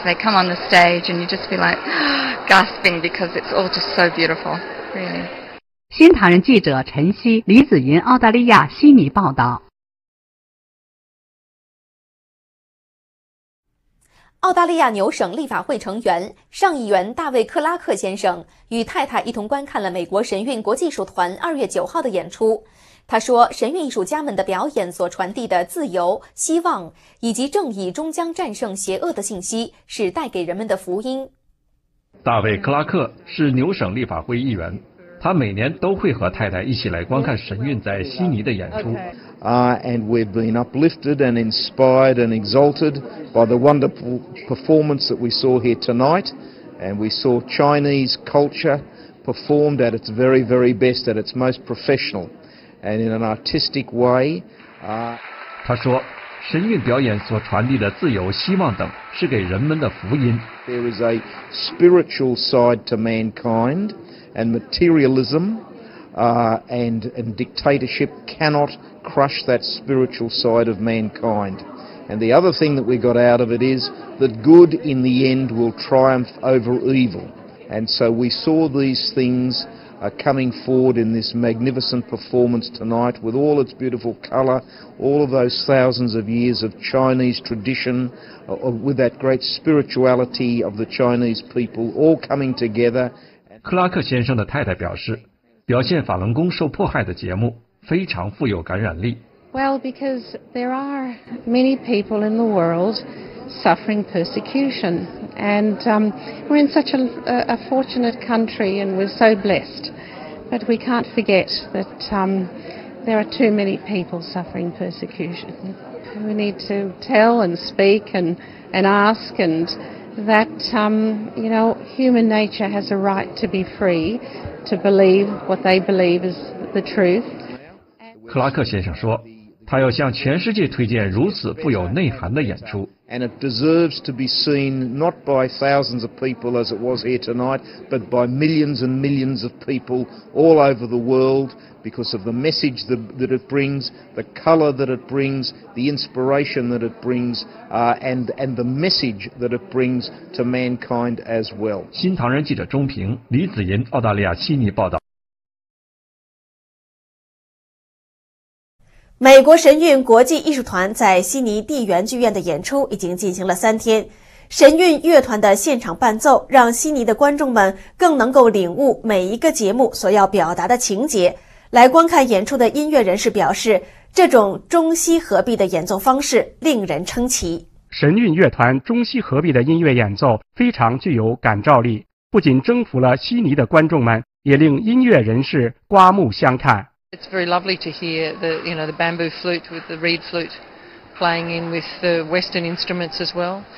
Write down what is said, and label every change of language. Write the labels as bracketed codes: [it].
[en] They come on the stage, and you just be like gasping because it's all just so beautiful, really. [zh] 新唐人记者陈曦、李子吟，澳大利亚悉尼报道。澳大利亚纽省立法会成员、上议员大卫·克拉克先生与太太一同观看了美国神韵国际艺术团2月9号的演出。他说，神韵艺术家们的表演所传递的自由、希望以及正义终将战胜邪恶的信息是带给人们的福音。大卫·克拉克是纽省立法会议员，他每年都会和太太一起来观看神韵在悉尼的演出。 [en] And we've been uplifted and inspired and exalted by the wonderful performance that we saw here tonight. And we saw Chinese culture performed at its very, very best, at its most professional and in an artistic way. [zh] 他说，神韵表演所传递的自由、希望等是给人们的福音。 [en] There is a spiritual side to mankind and materialism. And dictatorship cannot crush that spiritual side of mankind. And the other thing that we got out of it is that good in the end will triumph over evil. And so we saw these things coming forward in this magnificent performance tonight with all its beautiful color, all of those thousands of years of Chinese tradition, with that great spirituality of the Chinese people all coming together. [zh] 克拉克先生的太太表示，表现法轮功受迫害的节目非常富有感染力。 [en] Well, because there are many people in the world suffering persecution, and we're in such a fortunate country and we're so blessed, but we can't forget that there are too many people suffering persecution. We need to tell and speak and ask and. That you know, human nature has a right to be free, to believe what they believe is the truth. [zh] 克拉克先生说，他要向全世界推荐如此富有内涵的演出。 [en] And it deserves to be seen not by thousands of people as it was here tonight, but by millions and millions of people all over the world because of the message that it brings, the color that it brings, the inspiration that it brings, and the message that it brings to mankind as well. [zh] 新唐人记者钟平、李子吟，澳大利亚悉尼报道。美国神韵国际艺术团在悉尼地缘剧院的演出已经进行了三天，神韵乐团的现场伴奏让悉尼的观众们更能够领悟每一个节目所要表达的情节。来观看演出的音乐人士表示，这种中西合璧的演奏方式令人称奇。神韵乐团中西合璧的音乐演奏非常具有感召力，不仅征服了悉尼的观众们，也令音乐人士刮目相看。 [en] It's very lovely to hear the, you know, the bamboo flute with the reed flute playing in with the Western instruments as well.